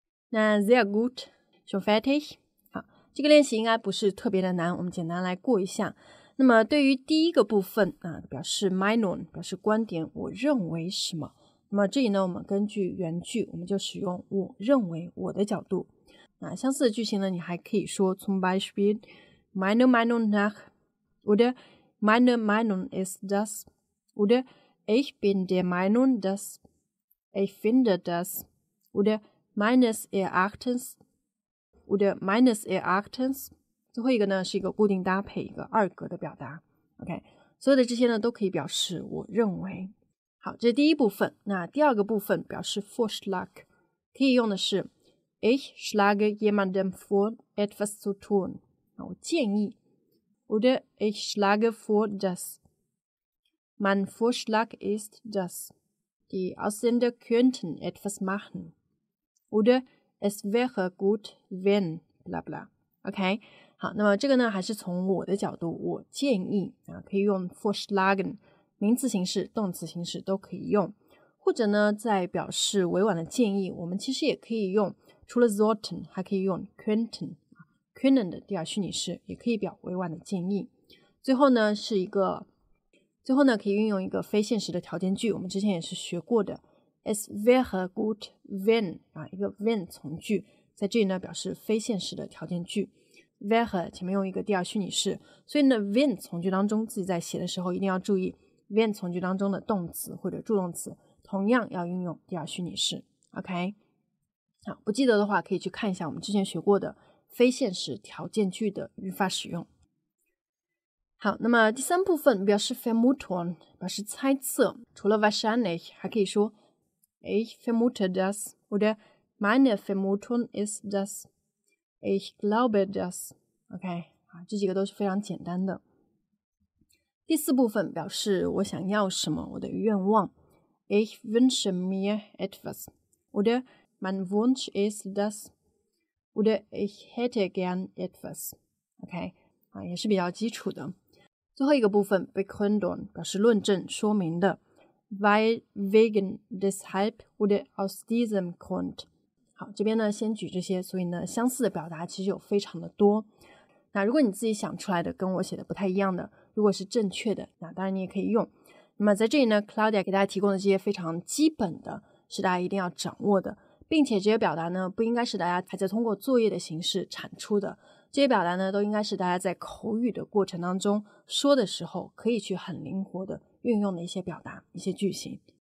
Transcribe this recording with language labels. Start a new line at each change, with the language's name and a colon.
German: 那 sehr gut, schon fertig?
Chinese: 这个练习应该不是特别的难，我们简单来过一下。那么对于第一个部分啊，表示 Meinung 表示观点，我认为什么。那么这里呢，我们根据原句，我们就使用我认为我的角度。那相似的句型呢，你还可以说
German: zum Beispiel meiner Meinung nach oder meine Meinung ist das oder ich bin der Meinung dass ich finde das oder meines Erachtens。
Chinese: Oder meines Erachtens， 最后一个呢是一个固定搭配，一个二格的表达。 OK， 所有的这些呢都可以表示我认为。好，这是第一部分。那第二个部分表示 Vorschlag， 可以用的是
German: Ich schlage jemandem vor etwas zu tun，
Chinese: 我建议。
German: Oder ich schlage vor dass mein Vorschlag ist dass die Ausländer könnten etwas machen oder Es wäre gut, wenn, blah, blah.
Chinese: OK, 好，那么这个呢还是从我的角度，我建议啊，可以用 Vorschlagen， 名词形式、动词形式都可以用。或者呢，在表示委婉的建议，我们其实也可以用，除了 sollten， 还可以用 könnten， können 的第二虚拟式也可以表委婉的建议。最后呢可以运用一个非现实的条件句，我们之前也是学过的。
German: Es wäre gut, wenn,
Chinese: 一个 wenn 从句，在这里呢表示非现实的条件句。 wäre 前面用一个第二虚拟式，所以呢 wenn 从句当中自己在写的时候一定要注意 wenn 从句当中的动词或者助动词同样要运用第二虚拟式。 OK， 好，不记得的话可以去看一下我们之前学过的非现实条件句的语法使用。好，那么第三部分表示
German: vermutung
Chinese: 表示猜测，除了
German: wahrscheinlich
Chinese: 还可以说
German: ich vermute das oder meine Vermutung ist das ich glaube das。
Chinese: OK， 好，这几个都是非常简单的。第四部分表示我想要什么，我的愿望
German: ich wünsche mir etwas oder mein Wunsch ist das oder ich hätte gern etwas。
Chinese: OK， 好，也是比较基础的。最后一个部分 Begründung 表示论证说明的
German: weil, wegen, deshalb oder aus diesem Grund。
Chinese: 好，这边呢先举这些，所以呢相似的表达其实有非常的多。那如果你自己想出来的跟我写的不太一样的，如果是正确的，那当然你也可以用。那么在这里呢 Claudia 给大家提供的这些非常基本的是大家一定要掌握的，并且这些表达呢不应该是大家还在通过作业的形式产出的，这些表达呢都应该是大家在口语的过程当中说的时候可以去很灵活的运用的一些表达一些句型。